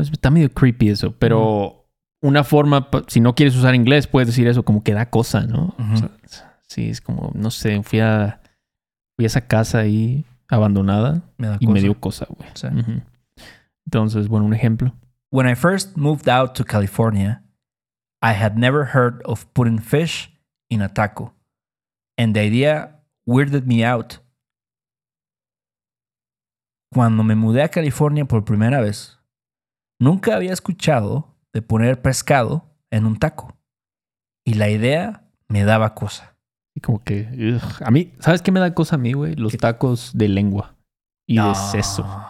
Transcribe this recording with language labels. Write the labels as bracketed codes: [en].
[es] Está medio creepy eso, pero... Uh-huh. Una forma, si no quieres usar inglés, puedes decir eso como que da cosa, ¿no? Uh-huh. O sea, sí, es como, no sé, fui a esa casa ahí abandonada me dio cosa, güey. Sí. Uh-huh. Entonces, bueno, un ejemplo. [en] When I first moved out to California, I had never heard of putting fish in a taco. And the idea weirded me out. [es] Cuando me mudé a California por primera vez, nunca había escuchado de poner pescado en un taco. Y la idea me daba cosa. Y como que... Ugh. A mí... ¿Sabes qué me da cosa a mí, güey? Los tacos de lengua. Y no, de seso.